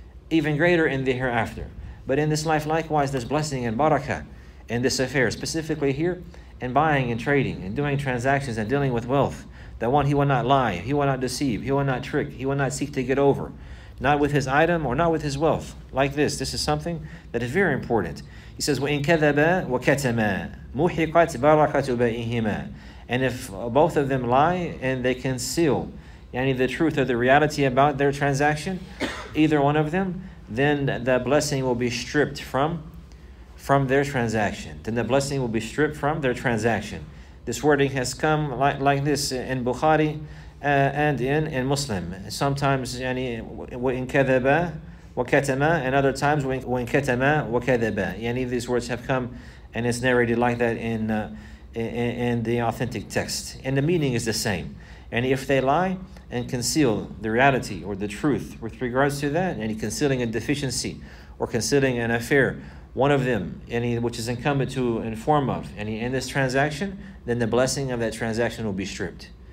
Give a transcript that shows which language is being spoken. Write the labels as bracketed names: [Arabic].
[English] Even greater in the hereafter. But in this life, likewise, there's blessing and barakah in this affair. Specifically here, in buying and trading and doing transactions and dealing with wealth. That one, he will not lie, he will not deceive, he will not trick, he will not seek to get over. Not with his item or not with his wealth. Like this. This is something that is very important. He says, [Arabic] وَإِن كَذَبَا وَكَتَمَا مُحِقَتْ بَرَكَةُ بَئِهِمَا. [English] And if both of them lie and they conceal any of the truth or the reality about their transaction, either one of them, then the blessing will be stripped from their transaction. Then the blessing will be stripped from their transaction. This wording has come like this in Bukhari and in Muslim. Sometimes any [Arabic] وَإِن كَذَبَا وَكَتَمَا, [English] and other times [Arabic] وَإِن كَتَمَا وَكَذَبَا. [English] Any of these words have come and it's narrated like that in the authentic text. And the meaning is the same. And if they lie and conceal the reality or the truth with regards to that, any concealing a deficiency or concealing an affair, one of them, any which is incumbent to inform of, any in this transaction, then the blessing of that transaction will be stripped.